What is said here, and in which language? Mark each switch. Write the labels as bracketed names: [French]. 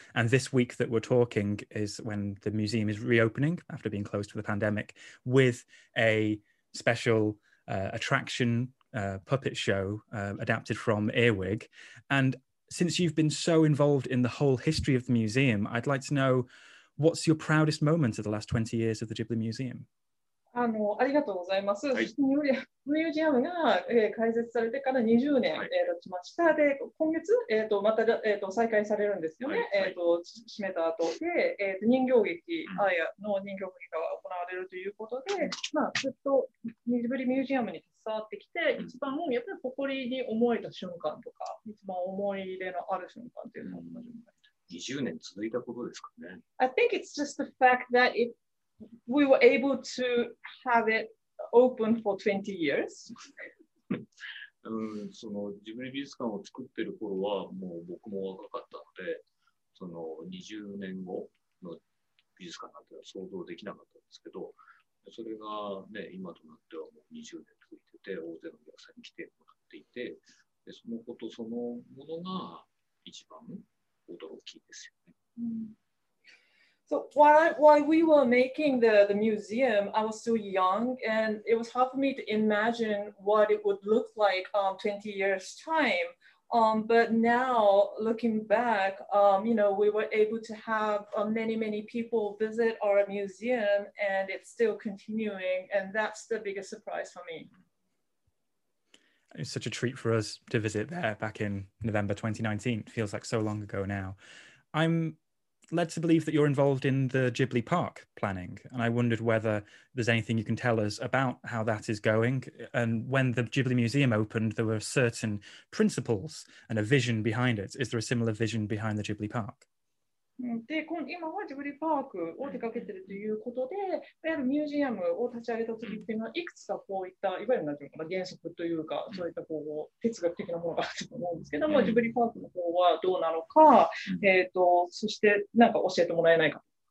[English] And this week that we're talking is when the museum is reopening after being closed for the pandemic with a special attraction puppet show adapted from Earwig. And since you've been so involved in the whole history of the museum, I'd like to know, what's your proudest moment of the last 20 years of the Ghibli Museum? [Japanese] ありがとうございます。ミュージアムが、開設されてから20年、はい、経ちました。で、今月、また、再開されるんですよね。はい、閉めた後で、人形劇、アーヤの人形劇が行われるということで、まあ、ずっとジブリミュージアムに携わってきて、うん、一番やっぱり誇りに思えた瞬間とか、一番思い入れのある瞬間っていうのが、うん、 20年続いたことですかね。 [English] I think it's just the fact that itWe were able to have it open for 20 years. [Japanese] そのジブリ美術館を作ってる頃はもう僕も若かったので、その20年後の美術館なんては想像できなかったんですけど、それがね、今となってはもう20年続いてて、大勢のお客さんに来てもらっていて、でそのことそのものが一番驚きですよね。うん、 [English] So while we were making the museum, I was still young, and it was hard for me to imagine what it would look like 20 years' time. But now, looking back, you know, we were able to have many, many people visit our museum, and it's still continuing, and that's the biggest surprise for me. It's such a treat for us to visit there back in November 2019. It feels like so long ago now. I'm... led to believe that you're involved in the Ghibli Park planning, and I wondered whether there's anything you can tell us about how that is going. And when the Ghibli Museum opened, there were certain principles and a vision behind it. Is there a similar vision behind the Ghibli Park? [Japanese] で今はジブリパークを手掛けているということで、いわゆるミュージアムを立ち上げたときっていうのは、いくつかこういった、いわゆる何て言うかな、原則というか、そういったこう哲学的なものがあると思うんですけども、ジブリパークの方はどうなのか、そして何か教えてもらえないか。